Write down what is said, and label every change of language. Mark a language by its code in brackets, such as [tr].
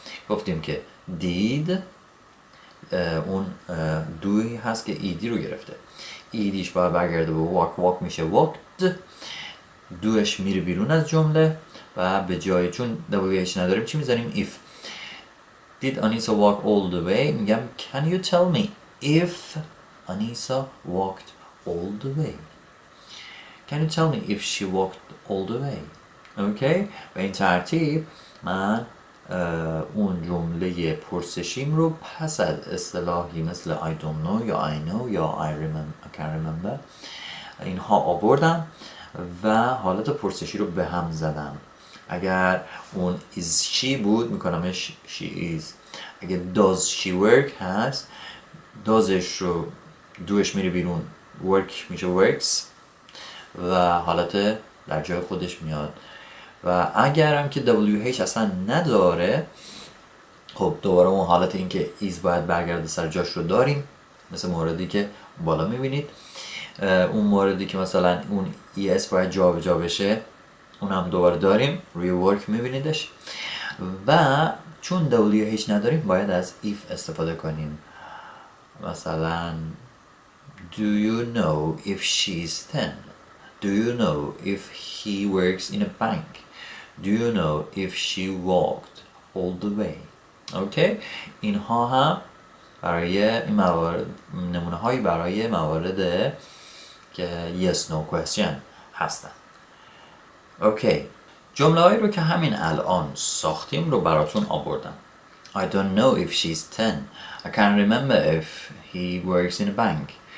[fa] گفتیم که did اون دوی هست که ایدی رو گرفته، ایدیش باید برگرده به walk، walk میشه walked، دوش میره بیرون از جمله و به جای چون WH نداریم چی میذاریم؟ if. [en] did Anissa walk all the way؟ میگم can you tell me if Anissa walked all the way؟ can you tell me if she walked all the way؟ okay. [fa] و این ترتیب من اون جمله پرسشیم رو پس از اصطلاحی مثل [en] I don't know [fa] یا I know یا I remember، [en] I can't remember [fa] اینها آوردم و حالت پرسشی رو به هم زدم. اگر اون [en] is she [fa] بود میکنمش she is، اگر [en] does she work [fa] هست doesش رو دوش میری بیرون work میشه works و حالت در جای خودش میاد. و اگرم که WH اصلا نداره خب دوباره اون حالت این که is باید برگرده سر جاش رو داریم، مثل موردی که بالا میبینید. اون موردی که مثلا اون is باید جا به جا بشه اونم دوباره داریم، rework میبینیدش. و چون WH نداریم باید از if استفاده کنیم. [en] مثلا do you know if she's 10؟ do you know if he works in a bank؟ Do you know if she walked all the way؟ okay. [fa] اینها هم برای این موارد، نمونه های برای موارد که [en] yes no question [fa] هستن. [en] okay. [fa] جمله هایی رو که همین الان ساختیم رو براتون آوردم. [en] I don't know if she's 10. I can't remember if he works in a bank.